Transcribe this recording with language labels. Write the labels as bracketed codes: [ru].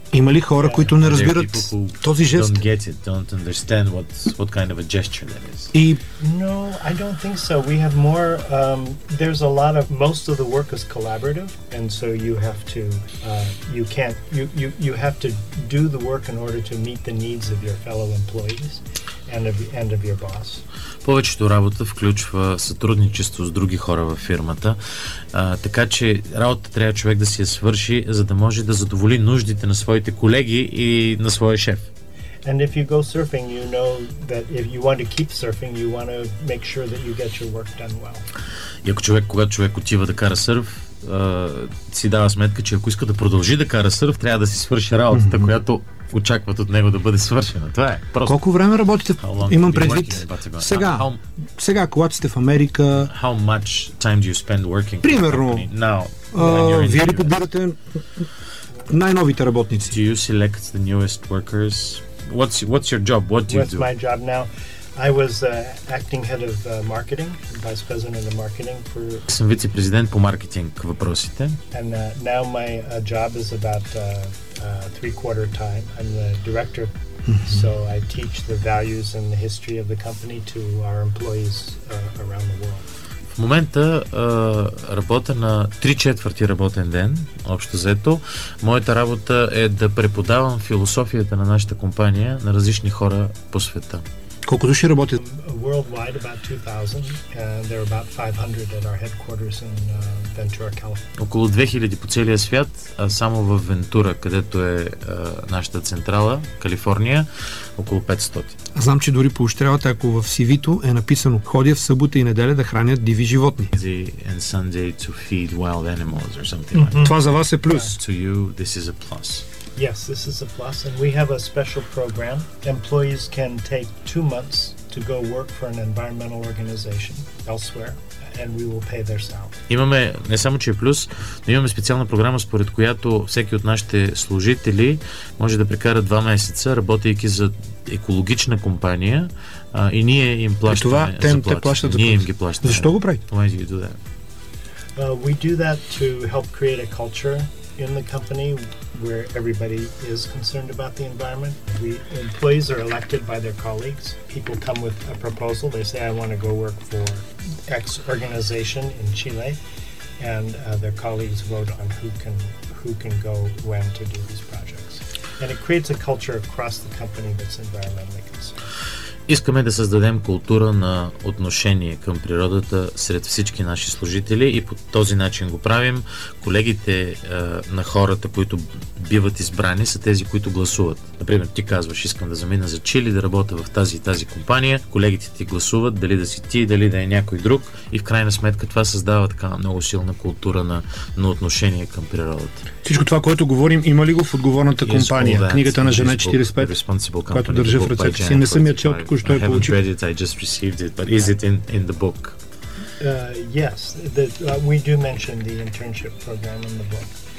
[bg] Има ли хора, които не разбират този жест? [en] Don't get it, don't understand what kind of a gesture that is. [bg] И... [en] No, I don't think so. We have more, there's a lot of, most of the work is collaborative, and so you have to, you have to do the work in order to meet the needs of your fellow employees and of your boss. [bg] Повечето работа включва сътрудничество с други хора във фирмата, така че работа трябва човек да си я свърши, за да може да задоволи нуждите на своите колеги и на своя шеф. [en] And if you go surfing, you know that if you want to keep surfing, you want to make sure that you get your work done well. [bg] И ако човек, когато човек отива да кара сърф, си дава сметка, че ако иска да продължи да кара сърф, трябва да си свърши работата, mm-hmm. която очакват от него да бъде свършена. Това е просто. Колко време работите? Имам предвид. Сега, сега, когато сте в Америка. [en] How much time do you spend working? [bg] Примерно. [en] Now, [bg] вие ли подбирате най-новите работници? [en] Do you select the newest workers? What's your job? What do you do? What's my job now? I was acting head of marketing, vice president of marketing for. [bg] Съм вице-президент по маркетинг въпросите. [en] And now my job is about three-quarter time. I'm the director, so I teach the values and the history of the company to our employees around the world. [bg] В момента работя на 3/4 работен ден, общо взето. Моята работа е да преподавам философията на нашата компания на различни хора по света. Колко души работят? [en] Worldwide about 2000, and there are about 500 at our headquarters in Ventura, California. [bg] Около 2000 по целия свят, а само в Вентура, където е нашата централа, Калифорния, около 500. А знам, че дори поощрявате, ако в CV-то е написано: ходя в събота и неделя да храня диви животни. [en] And Sunday to feed wild animals or something like that. [bg] Това за вас е плюс. [en] To you, this is a plus. Yes, this is a plus, and we have a special program. Employees can take 2 months to go work for an environmental organization elsewhere, and we will pay their salary. [bg] Имаме не само че е плюс, но имаме специална програма, според която всеки от нашите служители може да прекара 2 месеца, работейки за екологична компания, и ние им плащаме заплати. Те плащат, ние им ги плащаме. Защо го правите? [en] We do that to help create a culture in the company where everybody is concerned about the environment. We employees are elected by their colleagues. People come with a proposal. They say, I want to go work for X organization in Chile, and their colleagues vote on who can go when to do these projects. And it creates a culture across the company that's environmentally concerned. [bg] Искаме да създадем култура на отношение към природата сред всички наши служители и по този начин го правим. Колегите на хората, които биват избрани, са тези, които гласуват. Например, ти казваш, искам да замина за Чили, да работя в тази и тази компания. Колегите ти гласуват, дали да си ти, дали да е някой друг. И в крайна сметка това създава така много силна култура на отношение към природата. Всичко това, което говорим, има ли го в отговорната компания? Книгата на Жене 45, която държа в ръцете си, не съм я чел. [en] I haven't read it, I just received it, but is it in the book? Yes, we do mention the internship program in the book.